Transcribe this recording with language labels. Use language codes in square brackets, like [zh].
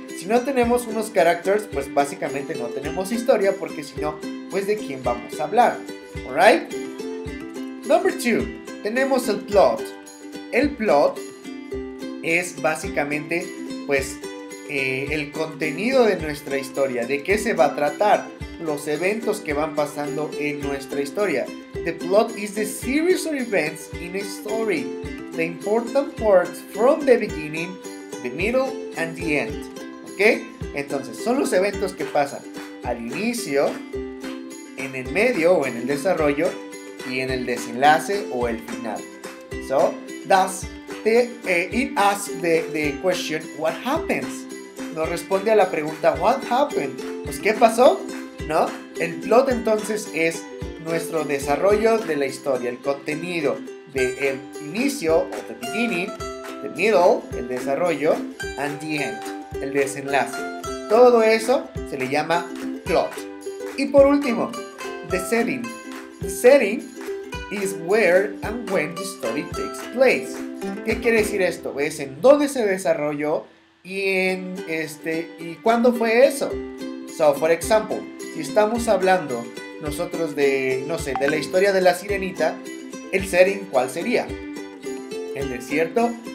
[es] Si no tenemos unos characters, pues básicamente no tenemos historia, porque si no, pues ¿de quién vamos a hablar? [en] ¿Alright? Number two. [es] Tenemos el plot. El plot es básicamente, pues, el contenido de nuestra historia. ¿De qué se va a tratar? Los eventos que van pasando en nuestra historia. [en] The plot is the series of events in a story. The important parts from the beginning, the middle, and the end. ¿Ok? [es] Entonces, son los eventos que pasan al inicio, en el medio o en el desarrollo, y en el desenlace o el final. [en] So, thus, it asks the question, what happens? [es] Nos responde a la pregunta, [en] what happened? [es] Pues, ¿qué pasó? ¿No? El plot, entonces, es nuestro desarrollo de la historia, el contenido de el inicio, o [en] the beginning, the middle, [es] el desarrollo, [en] and the end, [es] el desenlace. Todo eso se le llama plot. Y por último, the setting. [en] The setting is where and when the story takes place. [es] ¿Qué quiere decir esto? Es en dónde se desarrolló y en y cuándo fue eso. [en] So, for example, [es] si estamos hablando nosotros de, no sé, de la historia de la sirenita, el setting, ¿cuál sería? ¿El desierto?